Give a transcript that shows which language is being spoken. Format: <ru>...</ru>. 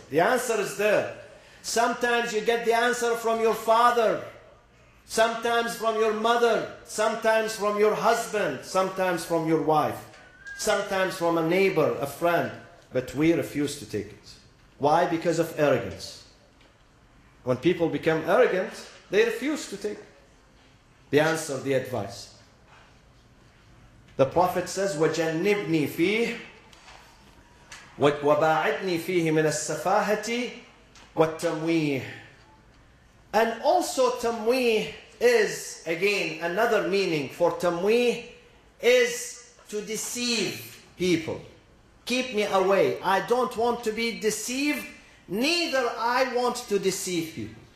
<en>The answer is there. Sometimes you get the answer from your father, sometimes from your mother, sometimes from your husband, sometimes from your wife, sometimes from a neighbor, a friend, but we refuse to take it. Why? Because of arrogance. When people become arrogant, they refuse to take the answer, the advice. The Prophet says,</en> <ar>وَجَنِّبْنِي فِيهِ وَبَاعِدْنِي فِيهِ مِنَ السَّفَاهَةِ وَالتَّمْوِيهِ.</ar> <en>And also تَمْوِيهِ is, again, another meaning for تَمْوِيهِ is to deceive people. Keep me away. I don't want to be deceived. Neither I want to deceive you.</en>